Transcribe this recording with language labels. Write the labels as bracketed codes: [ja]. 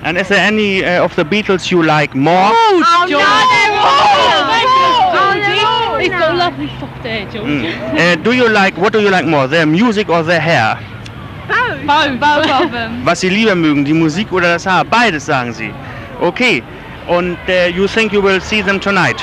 [en] And is there any of the Beatles you like more? Oh, George! Oh, no, they're all! Oh, no, he's got lovely soft hair, George. Mm. What do you like more, their music or their hair? Both. [de] Was sie lieber mögen, die Musik oder das Haar, beides sagen sie. [en] Okay, und you think you will see them tonight?